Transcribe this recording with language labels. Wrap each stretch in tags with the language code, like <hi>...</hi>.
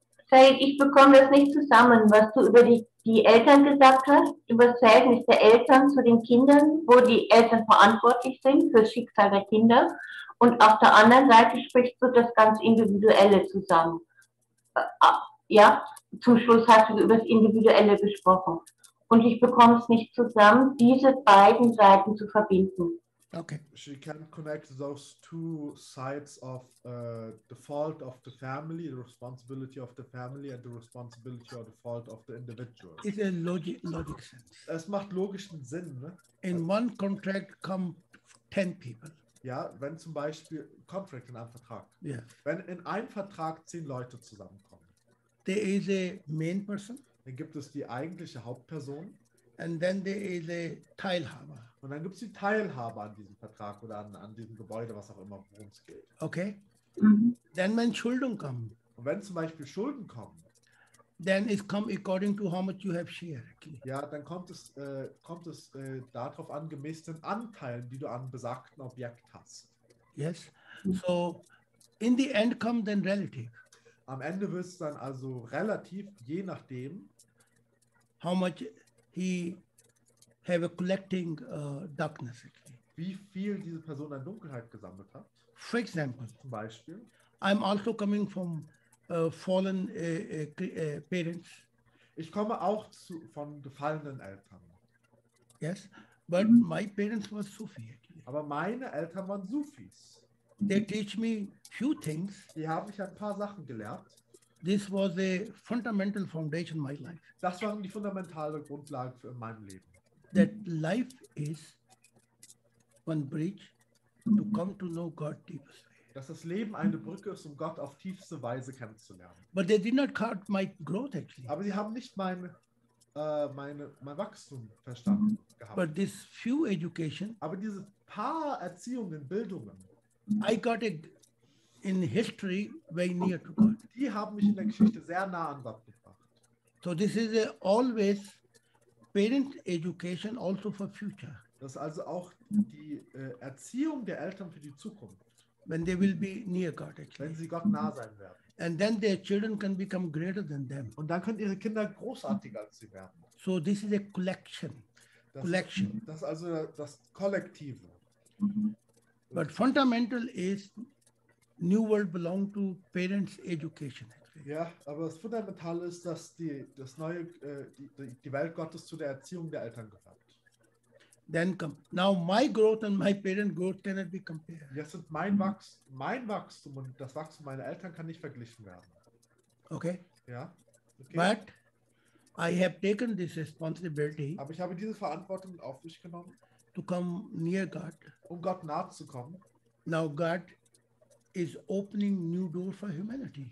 <de>Said, ich bekomme das nicht zusammen, was du über die Eltern gesagt hast, über das Verhältnis der Eltern zu den Kindern, wo die Eltern verantwortlich sind für das Schicksal der Kinder. Und auf der anderen Seite sprichst du das ganz Individuelle zusammen. Ja, zum Schluss hast du über das Individuelle gesprochen. Und ich bekomme es nicht zusammen, diese beiden Seiten zu verbinden. Okay.</de> <en>She can connect those two sides of the fault of the family, the responsibility of the family and the responsibility or the fault of the individual. It's a logic sense.</en> <de>Es macht logischen Sinn, ne?</de> <en>In one contract come 10 people.</en> <de>Ja, wenn zum Beispiel contract in einem Vertrag.</de> <en>Yeah.</en> <de>Wenn in einem Vertrag 10 Leute zusammenkommen.</de> <en>There is a main person.</en> <de>Dann gibt es die eigentliche Hauptperson.</de> <en>And then there is a Teilhaber.</en> <de>Und dann gibt es die Teilhaber an diesem Vertrag oder an diesem Gebäude, was auch immer, worum es geht. Okay. Dann wenn Schulden kommen. Und wenn zum Beispiel Schulden kommen.</de> <en>Then it comes according to how much you have share. Okay.</en> <de>Ja, dann kommt es darauf an, gemäß den Anteilen, die du an besagten Objekt hast.</de> <en>Yes. So in the end comes then relative.</en> <de>Am Ende wird es dann also relativ, je nachdem.</de> <en>How much he have a collecting darkness.</en> <de>Wie viel diese Person an Dunkelheit gesammelt hat.</de> <en>For example,</en> <de>zum Beispiel,</de> <en>I'm also coming from fallen parents.</en> <de>Ich komme auch von gefallenen Eltern.</de> <en>Yes, but my parents were Sufi.</en> <de>Aber meine Eltern waren Sufis.</de> <en>They teach me few things.</en> <de>Die haben mich ein paar Sachen gelehrt.</de> <en>This was a fundamental foundation in my life.</en> <de>Das waren die fundamentale Grundlagen für mein Leben.</de> <en>That life is one bridge to come to know God deepest way.</en> <de>Dass das Leben eine Brücke ist, um Gott auf tiefste Weise kennenzulernen.</de> <en>But they did not count my growth actually.</en> <de>Aber sie haben nicht mein Wachstum verstanden gehabt.</de> <en>But this few education.</en> <de>Aber diese paar Erziehungen, Bildungen.</de> <en>I got it in history very near to God.</en> <de>Die haben mich in der Geschichte sehr nah an Gott gebracht.</de> <en>So this is always parent education also for future.</en> <de>Das ist also auch die Erziehung der Eltern für die Zukunft.</de> <en>When they will be near God, actually.</en> <de>Wenn sie Gott nah sein werden.</de> <en>And then their children can become greater than them.</en> <de>Und dann können ihre Kinder großartiger als sie werden.</de> <en>So this is a collection. Collection.</en> <de>Das ist also das Kollektive. Mm-hmm.</de> <en>But fundamental is New World belong to parents' education.</en> <de>Ja, aber das Fundamentale ist, dass die Welt Gottes zu der Erziehung der Eltern gehört.</de> <en>Then come. Now my growth and my parent growth cannot be compared.</en> <de>Jetzt sind mein Wachstum und das Wachstum meiner Eltern kann nicht verglichen werden.</de> <en>Okay.</en> <de>Ja.</de> <en>Okay. But I have taken this responsibility.</en> <de>Aber ich habe diese Verantwortung auf mich genommen.</de> <en>To come near God.</en> <de>Um Gott nahe zu kommen.</de> <en>Now God is opening new door for humanity.</en>